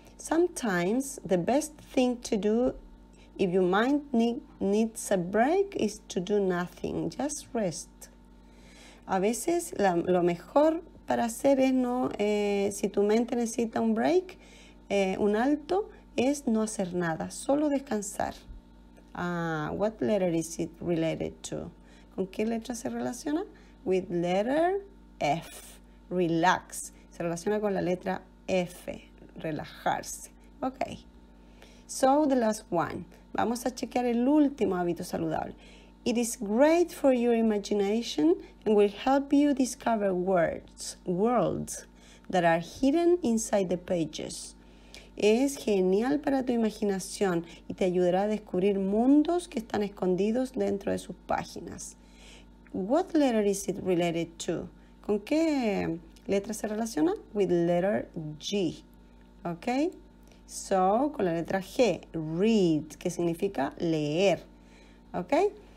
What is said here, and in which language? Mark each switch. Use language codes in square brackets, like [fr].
[en] Sometimes the best thing to do if your mind needs a break is to do nothing. Just rest. [es] A veces, lo mejor para hacer es no, si tu mente necesita un break, un alto, es no hacer nada, solo descansar. [en] What letter is it related to? [es] ¿Con qué letra se relaciona? [en] With letter F, relax. [es] Se relaciona con la letra F, relajarse. Ok. [en] So the last one. [es] Vamos a chequear el último hábito saludable. [en] It is great for your imagination and will help you discover worlds that are hidden inside the pages. [es] Es genial para tu imaginación y te ayudará a descubrir mundos que están escondidos dentro de sus páginas. [en] What letter is it related to? [es] ¿Con qué letra se relaciona? [en] With letter G. Okay? So, [es] con la letra G, [en] read, [es] que significa leer. [en] Okay?